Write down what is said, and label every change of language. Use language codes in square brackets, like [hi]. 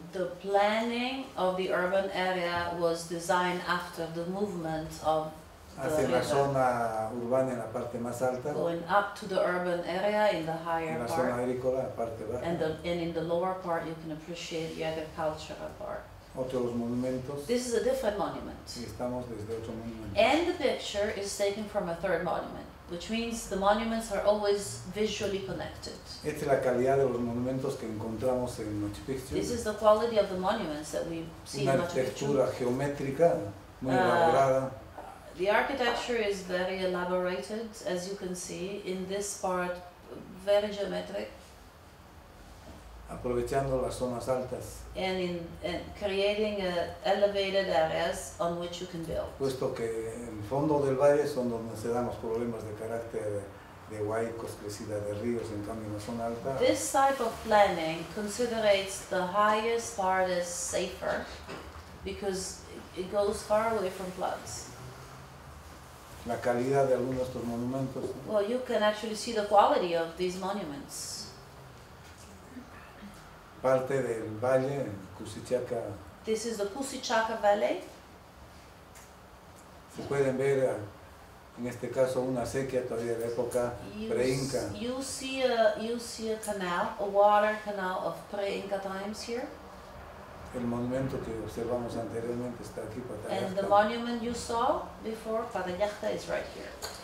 [en] The planning of the urban area was designed after the movement of [es] hacia la zona urbana en la parte más alta. [en] Going up to the urban area in the higher [es] en la [en] part. [es] Zona agrícola, parte baja. [en] And in the lower part you can appreciate the agricultural part. [es] Otros monumentos. [en] This is a different monument. [es] Y estamos desde otro monumento. [en] And the picture is taken from a third monument, which means the monuments are always visually connected. [es] Esta es la calidad de los monumentos que encontramos en Machu Picchu. [en] This is the quality of the monuments that we see [es] una [en] in Machu Picchu. [es] Una arquitectura geométrica muy elaborada. [en] The architecture is very elaborated, as you can see, in this part, very geometric. [es] Aprovechando las zonas altas. [en] And in and creating elevated areas on which you can build. [es] Puesto que el fondo del valle son donde se dan los problemas de carácter de huaycos, crecida de ríos, en cambio en la zona alta. [en] This type of planning considerates the highest part as safer, because it goes far away from floods. [es] La calidad de algunos de estos monumentos. [en] Well, you can actually see the quality of these monuments. [es] Parte del valle en Cusichaca. [en] This is the Cusichaca Valley. [es] Se pueden ver, en este caso, una sequía todavía de época pre-Inca. [en] You see a canal, a water canal of pre-Inca times here. [es] El monumento que observamos anteriormente está aquí, Patallacta. [en] And the monument you saw before, Patallacta, is right here.